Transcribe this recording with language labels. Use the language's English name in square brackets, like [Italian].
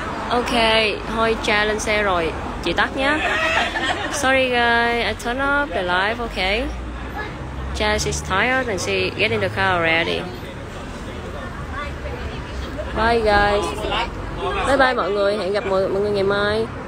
[Vietnamese] OK, thôi cha lên xe rồi, chị tắt nhé. [English] Sorry guys, I turn off the live. OK, cha is tired and she get in the car already. Bye guys, bye bye [Vietnamese] mọi người, hẹn gặp mọi người ngày mai.